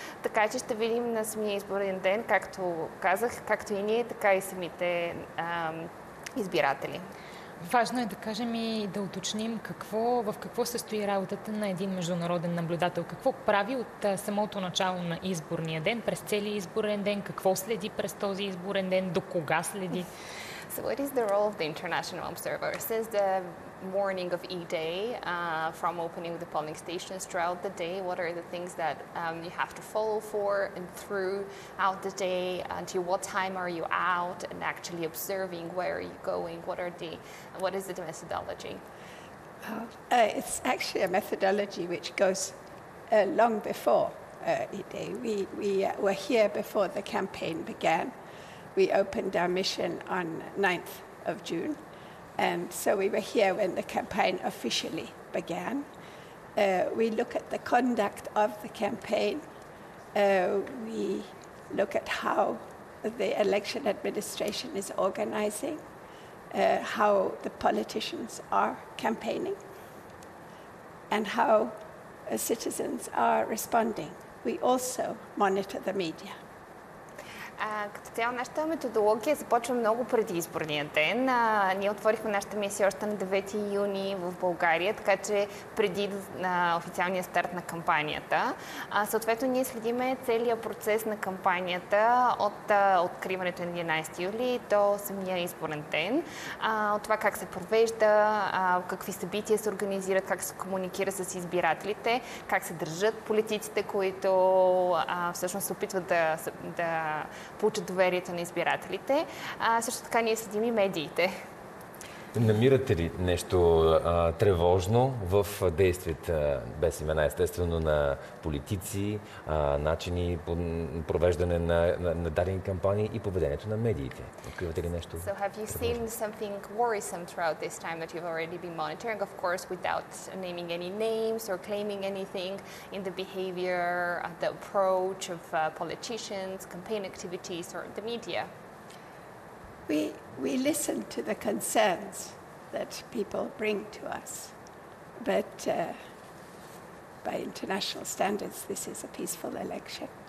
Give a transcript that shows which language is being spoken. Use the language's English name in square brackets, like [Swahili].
[Bulgarian] Така че ще видим на самия изборен ден, както казах, както и ние, така и самите избиратели. Важно е да кажем и да уточним в какво състои работата на един международен наблюдател. Какво прави от самото начало на изборния ден, през целия изборен ден, какво следи през този изборен ден, до кога следи? [English] So what is the role of the international observer? Since the morning of E-Day, from opening the polling stations throughout the day, what are the things that you have to follow for and throughout the day, until what time are you out and actually observing where are you going, what is the methodology? It's actually a methodology which goes long before E-Day. We were here before the campaign began. We opened our mission on 9th of June, and so we were here when the campaign officially began. We look at the conduct of the campaign. We look at how the election administration is organizing, how the politicians are campaigning, and how citizens are responding. We also monitor the media. [Bulgarian] Като цяло нашата методология започва много преди изборния ден. Ние отворихме нашата мисия още на 9 юни в България, така че преди официалния старт на кампанията. Съответно, ние следиме целия процес на кампанията от откриването на 11 юли до самия изборен ден. От това как се провежда, какви събития се организират, как се комуникира с избирателите, как се държат политиците, които всъщност се опитват да получат доверието на избирателите. Също така ние следим и медиите. Намирате ли нещо тревожно в действията, без имена естествено, на политици, начини по провеждане на дадени кампании и поведението на медиите? Откривате ли нещо? [English] So have you seen something worrisome throughout this time that you've already been monitoring, of course without naming any names or claiming anything, in the behavior, the approach of politicians, campaign activities or the media? We listen to the concerns that people bring to us, but by international standards, this is a peaceful election.